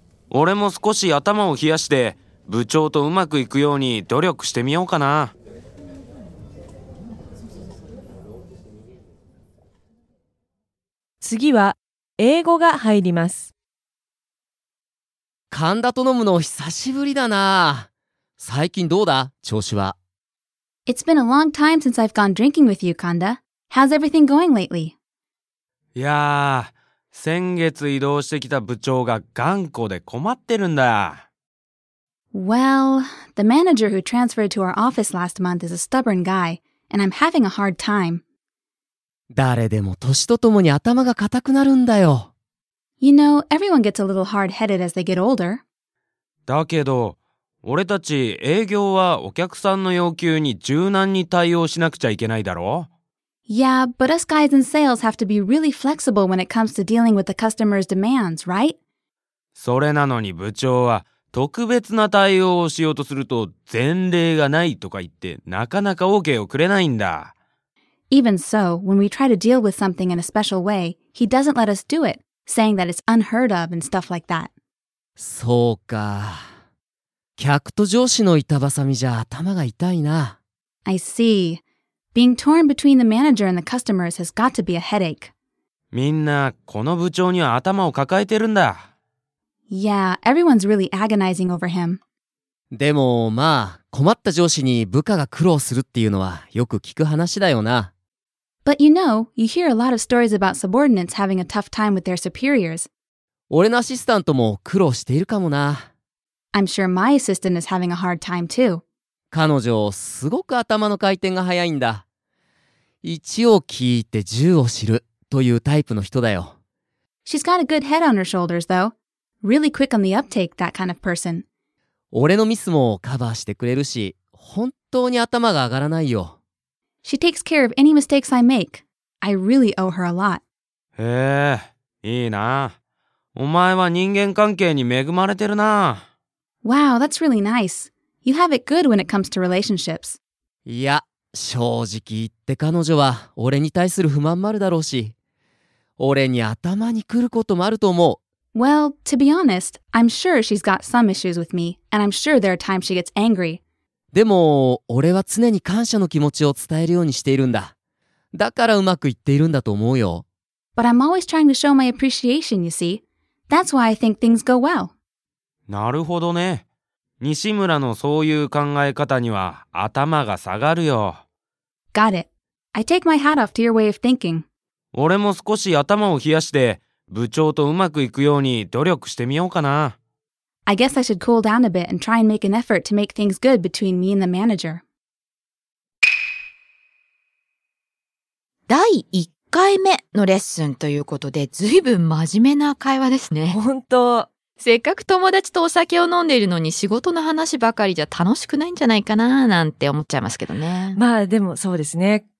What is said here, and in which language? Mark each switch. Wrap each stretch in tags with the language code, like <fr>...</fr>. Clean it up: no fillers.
<ja>俺も少し頭を冷やして部長とうまくいくように努力してみようかな。次は英語が入ります。神田と飲むの久しぶりだな。最近どうだ、調子は。</ja> <en>It's been a long time since I've gone drinking with you, Kanda. How's everything going lately?</en> <ja>いやー、先月移動してきた部長が頑固で困ってるんだ。</ja> <en>Well, the manager who transferred to our office last month is a stubborn guy, and I'm having a hard time.</en> <ja>誰でも年とともに頭が固くなるんだよ。</ja> <en>You know, everyone gets a little hard-headed as they get older.</en> <ja>だけど、俺たち営業はお客さんの要求に柔軟に対応しなくちゃいけないだろう。</ja> <en>Yeah, but us guys in sales have to be really flexible when it comes to dealing with the customer's demands, right?</en> <ja>それなのに部長は特別な対応をしようとすると前例がないとか言って、なかなか OK をくれないんだ。</ja> <en>Even so, when we try to deal with something in a special way, he doesn't let us do it. Saying that it's unheard of and stuff like that.</en> <ja>そうか。客と上司の板挟みじゃ頭が痛いな。</ja> <en>I see. Being torn between the manager and the customers has got to be a headache.</en> <ja>みんなこの部長には頭を抱えてるんだ。</ja> <en>Yeah, everyone's really agonizing over him.</en> <ja>でもまあ、困った上司に部下が苦労するっていうのはよく聞く話だよな。</ja> <en>But you know, you hear a lot of stories about subordinates having a tough time with their superiors.</en> <ja>俺のアシスタントも苦労しているかもな。</ja> <en>I'm sure my assistant is having a hard time too.</en> <ja>彼女、すごく頭の回転が早いんだ。1を聞いて10を知るというタイプの人だよ。</ja> <en>She's got a good head on her shoulders though. Really quick on the uptake, that kind of person.</en> <ja>俺のミスもカバーしてくれるし、本当に頭が上がらないよ。</ja> <en>She takes care of any mistakes I make. I really owe her a lot.</en> <ja>へえ、いいな。お前は人間関係に恵まれてるな。</ja> <en>Wow, that's really nice. You have it good when it comes to relationships.</en> <ja>いや、正直言って彼女は俺に対する不満もあるだろうし、俺に頭に来ることもあると思う。</ja> <en>Well, to be honest, I'm sure she's got some issues with me, and I'm sure there are times she gets angry.</en> <ja>でも、俺は常に感謝の気持ちを伝えるようにしているんだ。だからうまくいっているんだと思うよ。</ja> <en>But I'm always trying to show my appreciation, you see. That's why I think things go well.</en> <ja>なるほどね。西村のそういう考え方には頭が下がるよ。</ja> <en>Got it. I take my hat off to your way of thinking.</en> <ja>俺も少し頭を冷やして、部長とうまくいくように努力してみようかな。</ja> <en>I guess I should cool down a bit and try and make an effort to make things good between me and the manager.</en> <ja>第1回目のレッスンということで、ずいぶん真面目な会話ですね。本当。せっかく友達とお酒を飲んでいるのに仕事の話ばかりじゃ楽しくないんじゃないかななんて思っちゃいますけどね。まあでもそうですね。</ja>